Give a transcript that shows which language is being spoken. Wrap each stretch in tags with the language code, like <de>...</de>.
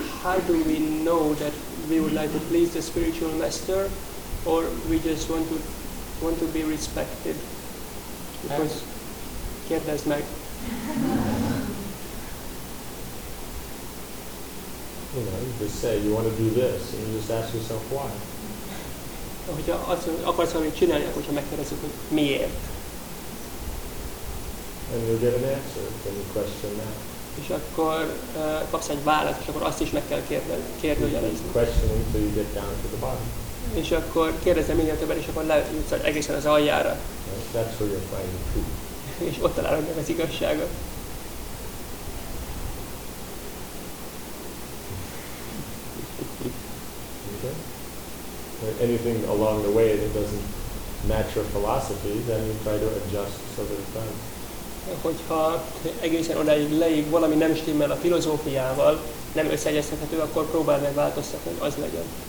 <en>How do we know that we would like to please the spiritual master, or we just want to? Want to be respected? Because get this mic. You know, you just say you want to do this, and you just ask yourself why.</en> <hu>Hogyha akarsz valamit csinálni, akkor csak megkérdezzük, hogy miért.</hu> <en>And you'll get an answer to the question now.</en> <hu>És akkor kapsz egy választ, és akkor azt is meg kell kérdőjelezni.</hu> <en>Questioning until you get down to the bottom.</en> <hu>És akkor kérdezem minél többet, és akkor lejutsz egészen az aljára.</hu> <en>That's where you're finding truth.</en> <hu>És ott találod meg az igazságot.</hu> <en>Okay. Anything along the way that doesn't match your philosophy, then you try to adjust so that it does.</en> <hu>Hogyha egészen odáig leig valami nem stimmel a filozófiával, nem összeegyeztethető, akkor próbáld meg változtatni, hogy az legyen.</hu>